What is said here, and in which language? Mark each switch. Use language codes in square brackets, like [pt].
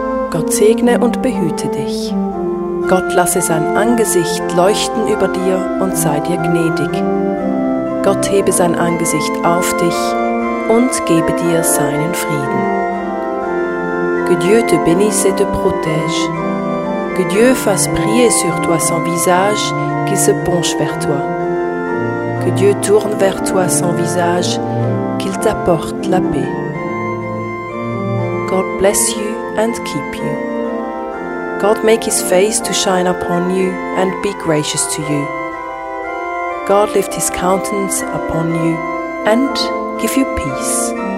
[de] Gott segne und behüte dich. Gott lasse sein Angesicht leuchten über dir und sei dir gnädig. Gott hebe sein Angesicht auf dich und gebe dir seinen Frieden. [fr] Que Dieu te bénisse et te protège. Que Dieu fasse briller sur toi son visage qui se penche vers toi. Que Dieu tourne vers toi son visage, qu'il t'apporte la paix. [en] God bless you and keep you. God make his face to shine upon you and be gracious to you. God lift his countenance upon you and give you peace.